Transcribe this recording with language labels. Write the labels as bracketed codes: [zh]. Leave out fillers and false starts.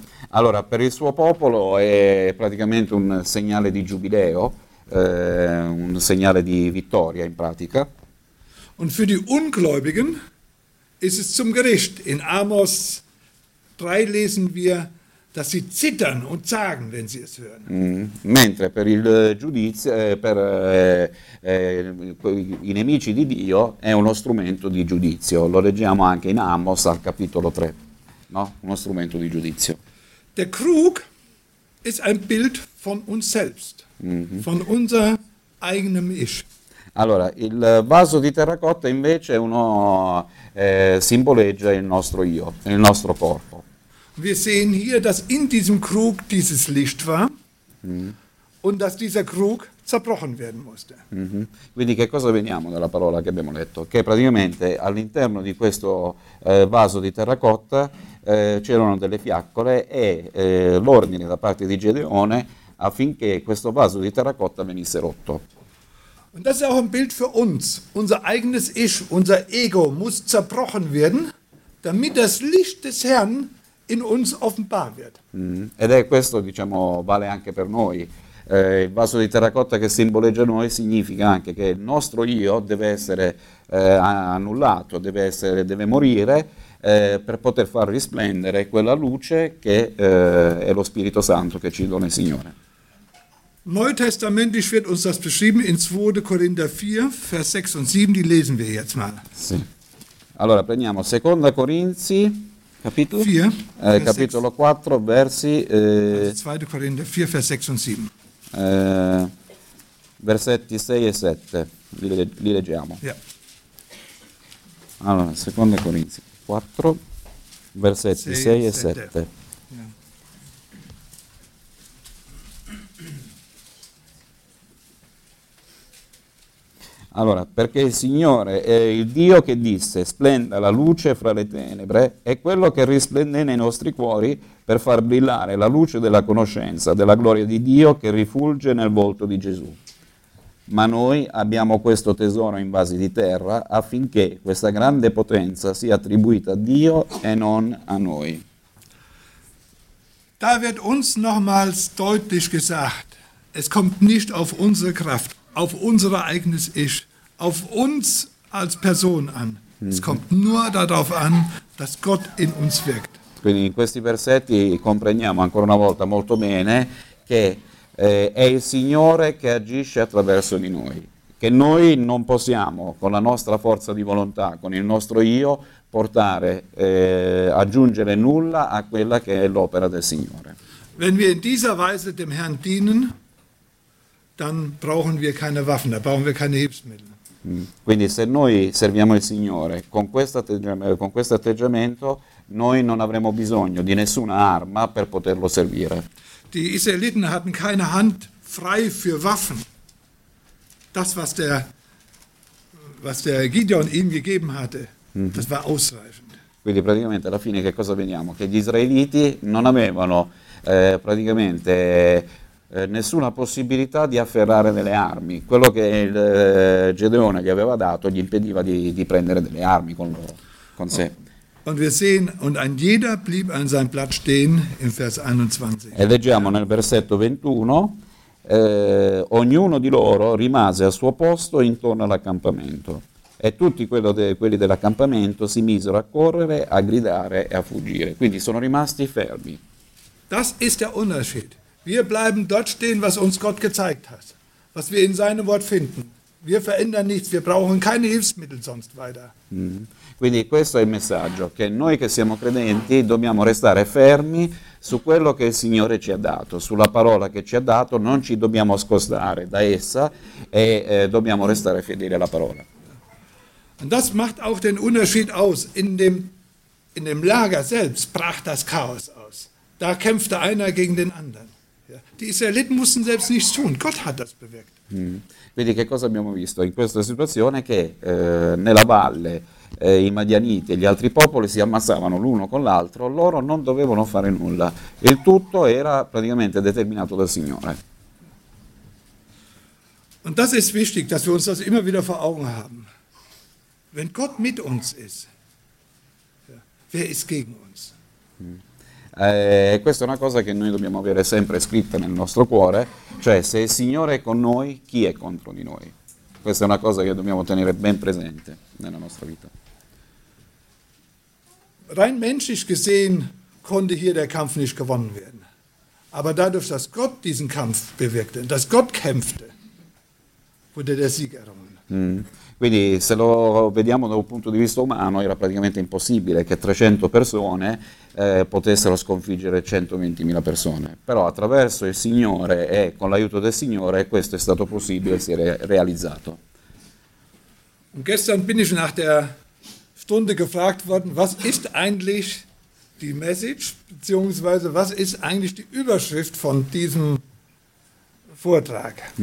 [it] Allora, per il suo popolo è praticamente un segnale di giubileo, un segnale di vittoria in pratica. [de] Und für die Ungläubigen ist es zum Gericht. In Amos 3 lesen wir, dass sie zittern und zagen, wenn sie es hören. [it] Mentre per il giudizio, per i nemici di Dio, è uno strumento di giudizio. Lo leggiamo anche in Amos al capitolo 3, no? Uno strumento di giudizio. [de] Der Krug ist ein Bild von uns selbst, von unser eigenem Ich. [it] Allora, il vaso di terracotta invece è uno simboleggia il nostro io, il nostro corpo. [de] Wir sehen hier, dass in diesem Krug dieses Licht war und dass dieser Krug zerbrochen werden musste. [it] Quindi che cosa veniamo dalla parola che abbiamo letto? Che praticamente all'interno di questo vaso di terracotta c'erano delle fiaccole e l'ordine da parte di Gedeone affinché questo vaso di terracotta venisse rotto. [de] Und das ist auch ein Bild für uns. Unser eigenes Ich, unser Ego muss zerbrochen werden, damit das Licht des Herrn in uns offenbar wird. [it] Ed è questo, diciamo, vale anche per noi. Il vaso di terracotta che simboleggia noi significa anche che il nostro io deve essere annullato, deve morire per poter far risplendere quella luce che è lo Spirito Santo che ci dona il Signore. [de] Neutestamentlich wird uns das beschrieben in 2. Korinther 4, Vers 6 und 7, die lesen wir jetzt mal. [it] Sì. Allora, prendiamo 2. Korinzi, capitolo 4, capitolo 4, versi... [de] 2. Korinther 4, Vers 6 und 7. [it] Versetti 6 e 7, li leggiamo. Yeah. Allora, 2. Korinzi, 4, versetti 6 e 7. Allora, perché il Signore è il Dio che disse, splenda la luce fra le tenebre, è quello che risplende nei nostri cuori per far brillare la luce della conoscenza, della gloria di Dio che rifulge nel volto di Gesù. Ma noi abbiamo questo tesoro in vasi di terra affinché questa grande potenza sia attribuita a Dio e non a noi. [de] Da wird uns nochmals deutlich gesagt, es kommt nicht auf unsere Kraft. Auf unser eigenes Ich, auf uns als Person an. Es kommt nur darauf an, dass Gott in uns wirkt. [it] Quindi in questi versetti comprendiamo ancora una volta molto bene che è il Signore che agisce attraverso di noi, che noi non possiamo con la nostra forza di volontà, con il nostro io, portare, aggiungere nulla a quella che è l'opera del Signore. [de] Wenn wir in dieser Weise dem Herrn dienen, dann brauchen wir keine Waffen, dann brauchen wir keine Hilfsmittel. [it] Quindi se noi serviamo il Signore con questo atteggiamento, noi non avremo bisogno di nessuna arma per poterlo servire. [de] Die Israeliten hatten keine Hand frei für Waffen. Das, was der Gideon ihm gegeben hatte, das war ausreichend. [it] Quindi praticamente alla fine che cosa vediamo? Che gli Israeliti non avevano praticamente nessuna possibilità di afferrare delle armi. Quello che il Gedeone gli aveva dato gli impediva di prendere delle armi con loro, con sé. [de] Und wir sehen, und ein jeder blieb an seinem Platz stehen, in Vers 21. [it] E leggiamo nel versetto 21, ognuno di loro rimase al suo posto intorno all'accampamento, e tutti quelli dell'accampamento si misero a correre, a gridare e a fuggire. Quindi sono rimasti fermi. [de] Das ist der Unterschied. Wir bleiben dort stehen, was uns Gott gezeigt hat, was wir in seinem Wort finden. Wir verändern nichts, wir brauchen keine Hilfsmittel sonst weiter. [it] Quindi questo è il messaggio, che noi che siamo credenti dobbiamo restare fermi su quello che il Signore ci ha dato, sulla parola che ci ha dato, non ci dobbiamo scostare da essa e dobbiamo restare fedeli alla parola. [de] Und das macht auch den Unterschied aus. In dem Lager selbst brach das Chaos aus. Da kämpfte einer gegen den anderen. Die Israeliten mussten selbst nichts tun, Gott hat das bewirkt. [it] Quindi che cosa abbiamo visto in questa situazione? Che nella valle i Madianiti e gli altri popoli si ammassavano l'uno con l'altro, loro non dovevano fare nulla, il tutto era praticamente determinato dal Signore. [de] Und das ist wichtig, dass wir uns das immer wieder vor Augen haben. Wenn Gott mit uns ist, wer ist gegen uns? [it] Questa è una cosa che noi dobbiamo avere sempre scritta nel nostro cuore, cioè se il Signore è con noi, chi è contro di noi? Questa è una cosa che dobbiamo tenere ben presente nella nostra vita. [de] Rein menschlich gesehen konnte hier der Kampf nicht gewonnen werden. Aber dadurch, dass Gott diesen Kampf bewirkte, dass Gott kämpfte, wurde der Sieg errungen. [it] Quindi se lo vediamo da un punto di vista umano era praticamente impossibile che 300 persone potessero sconfiggere 120.000 persone. Però attraverso il Signore e con l'aiuto del Signore questo è stato possibile, si è realizzato. [de] Und gestern bin ich nach der Stunde gefragt worden, was ist eigentlich die Message, beziehungsweise was ist eigentlich die Überschrift von diesem Vortrag?